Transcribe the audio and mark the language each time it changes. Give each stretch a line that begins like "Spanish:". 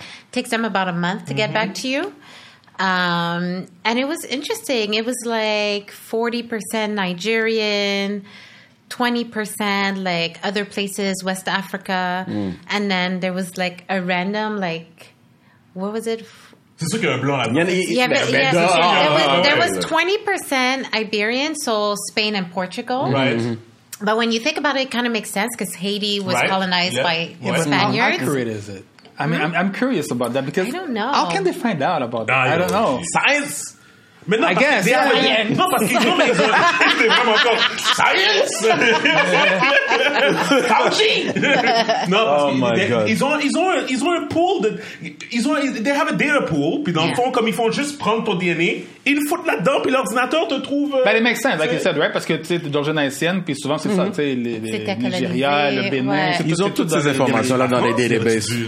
English: It takes them about a month to get back to you. And it was interesting. It was like 40% Nigerian, 20% like other places, West Africa. And then there was like a random, like, what was it?
French: C'est sûr qu'il y a un blanc là-dedans.
English: There was 20% Iberian, so Spain and Portugal. Right. Mm-hmm. But when you think about it, it kind of makes sense because Haiti was colonized by Spaniards. How accurate is it? I mean, I'm curious about that because I don't know. How can they find out about that? I don't know. Science?
French: Mais non,
English: I guess.
French: Yeah. Yeah. Yeah. Non, parce qu'ils ont des hommes. C'est vraiment comme science? Fauci? Non, parce qu'ils ont un pool,
English: they have a data pool,
French: puis dans le fond, comme ils font juste prendre ton DNA, ils le foutent là-dedans, puis l'ordinateur te trouve.
English: Ben, it makes sense, like you said, right?
French: Parce que tu es d'origine haïtienne, puis souvent c'est ça, tu sais, les Nigeria, le Bénin, ouais. Ils ont toutes ces informations-là dans les databases.